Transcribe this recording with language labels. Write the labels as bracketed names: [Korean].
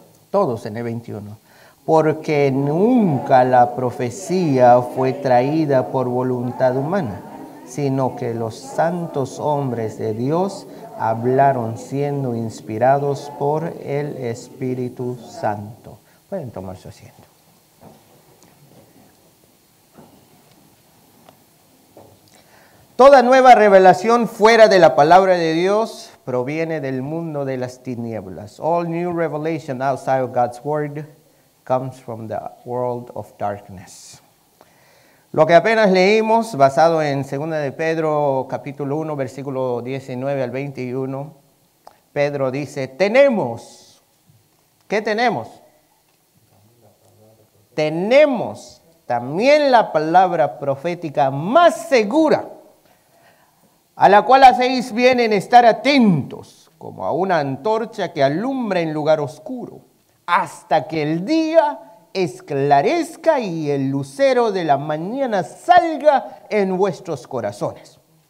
[Spanish] Todos en el 21. Porque nunca la profecía fue traída por voluntad humana, sino que los santos hombres de Dios hablaron siendo inspirados por el Espíritu Santo. Pueden tomar su asiento. Toda nueva revelación fuera de la palabra de Dios proviene del mundo de las tinieblas. [English] All new revelation outside of God's word comes from the world of darkness. [Spanish] Lo que apenas leímos, basado en 2 de Pedro, capítulo 1, versículo 19 al 21, Pedro dice, tenemos. ¿Qué tenemos? Tenemos también la palabra profética más segura, a la cual hacéis bien en estar atentos, como a una antorcha que alumbra en lugar oscuro, hasta que el día esclarezca y el lucero de la mañana salga en vuestros corazones.